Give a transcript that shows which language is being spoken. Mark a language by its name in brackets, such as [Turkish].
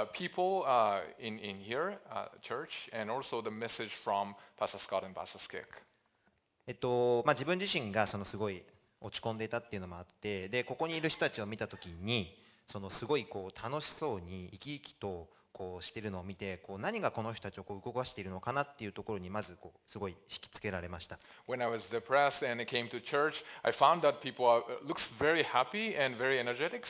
[English] The people in here, church, and also the message from Pastor Scott and Pastor Skek. [Japanese] まあ、自分自身がそのすごい落ち込んでいたっていうのもあって、で、ここにいる人たちを見たときに、そのすごいこう楽しそうに生き生きと、こうしてるのを見てこう何がこの人たちをこう動かしているのかなっていうところにまずこうすごい引きつけられました。 [English] When I was depressed and came to church, I found that people looks very happy and very energetic.